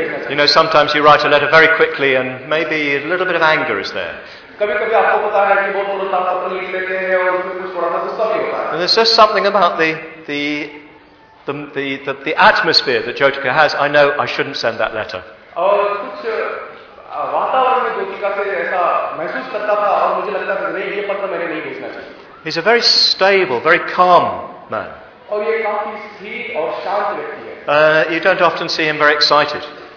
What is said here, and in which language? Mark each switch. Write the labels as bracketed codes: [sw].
[en] You know, sometimes you write a letter very quickly and maybe a little bit of anger is there. [hi] कभी कभी आपको पता है कि बहुत बहुत लिख लेते हैं और उसमें कुछ थोड़ा सा गुस्सा भी होता है. [en] There's just something about the atmosphere that Jyotika has. I know I shouldn't send that letter. [hi] और कुछ वातावरण में ज्योतिका से ऐसा महसूस करता था और मुझे लगता था नहीं ये पत्र मैंने नहीं भेजना चाहिए. [en] He's a very stable, very calm man. [hi] और ये काफी स्थिर और शांत व्यक्ति है. [en] You don't often see him very excited.